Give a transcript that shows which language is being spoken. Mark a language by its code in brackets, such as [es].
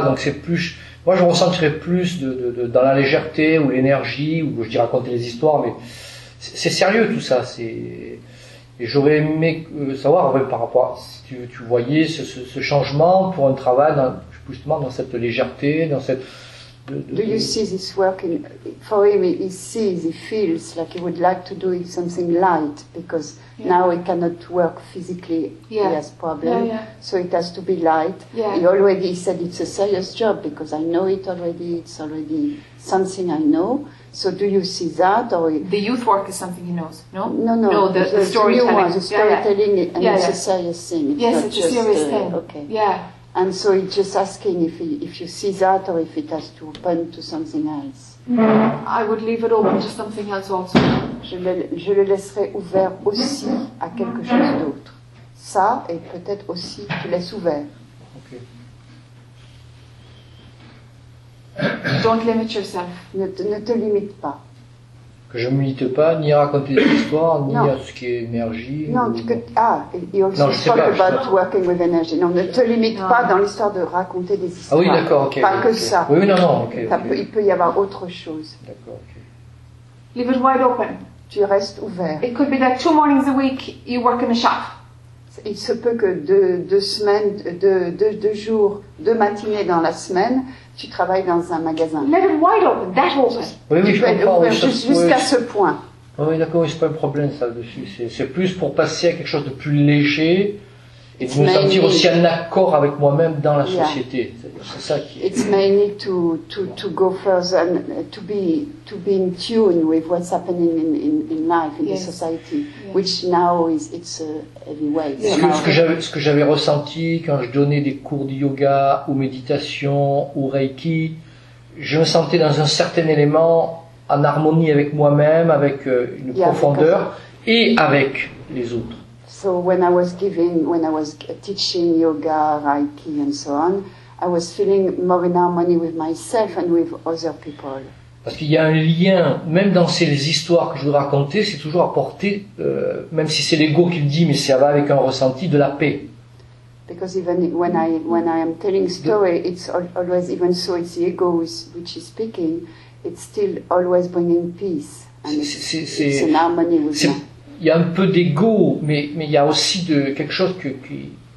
[fr] Donc c'est plus, moi, je ressentirais plus de dans la légèreté ou l'énergie ou je dis raconter des histoires. Mais c'est sérieux tout ça. Et j'aurais aimé savoir par rapport à, si tu voyais ce changement pour un travail justement dans cette légèreté, dans cette. [en] Do you see this working for him? He feels like he would like to do something light because now he cannot work physically. Yeah. He has problems, so it has to be light. Yeah. He already said it's a serious job because I know it already. It's already something I know. So do you see that or the youth work is something he knows? No. No. The storytelling. The storytelling is a serious thing. It's a serious thing. Okay. Yeah. And so he's just asking if you see that or if it has to open to something else. Mm-hmm. I would leave it open to something else also. [fr] Je le laisserai ouvert aussi à quelque chose d'autre. Ça et peut-être aussi tu laisses ouvert. [en] Okay. Don't limit yourself. [fr] Ne te limite pas. Que je ne me limite pas, ni à raconter des histoires, ni à ce qui est énergie. Non, ou... [en] Working with energy. [fr] Non, ne te limite pas dans l'histoire de raconter des histoires. Ah oui, d'accord, ok. Pas que ça. Oui, non, okay. Il peut y avoir autre chose. D'accord, ok. [en] Leave it wide open. [fr] Tu restes ouvert. [en] It could be that two mornings a week, you work in a shop. [fr] Il se peut que deux semaines, deux jours, deux matinées dans la semaine, tu travailles dans un magasin. [en] Let it wide open, that open. [fr] Oui, tu peux comprends. Être ouvert jusqu'à ce point. Oui, d'accord, c'est pas un problème ça dessus. C'est plus pour passer à quelque chose de plus léger et de me sentir aussi en accord avec moi-même dans la société. C'est ça qui. [en] It's mainly to go further and to be in tune with what's happening in life in the society, which now is a heavy weight. Yeah. [fr] Ce que j'avais ressenti quand je donnais des cours de yoga ou méditation ou reiki, je me sentais dans un certain élément en harmonie avec moi-même, avec une profondeur et avec les autres. [en] So when I was teaching yoga, reiki and so on, I was feeling more in harmony with myself and with other people. [fr] Parce qu'il y a un lien, même dans ces histoires que je vous racontais, c'est toujours apporté, même si c'est l'ego qui le dit, mais ça va avec un ressenti de la paix. [en] Because even when I am telling story, it's always, even so it's the ego which is speaking, it's still always bringing peace. And it's in harmony with me. [fr] Il y a un peu d'ego, mais il y a aussi de quelque chose qui.